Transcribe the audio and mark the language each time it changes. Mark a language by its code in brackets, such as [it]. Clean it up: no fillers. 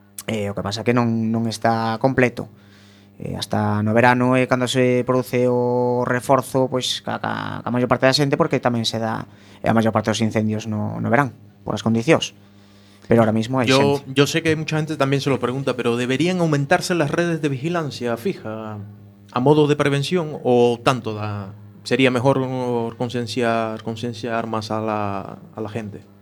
[gl] O que pasa é que non está completo. Hasta no verano é cando se produce o reforzo, pois, a maior parte da xente, porque tamén se dá a maior parte dos incendios no verán, por as condicións. [es] Pero ahora mismo hay gente. Yo sé que mucha gente también se lo pregunta, pero ¿deberían aumentarse las redes de vigilancia fija a modo de prevención o tanto da? ¿Sería mejor concienciar más a la gente?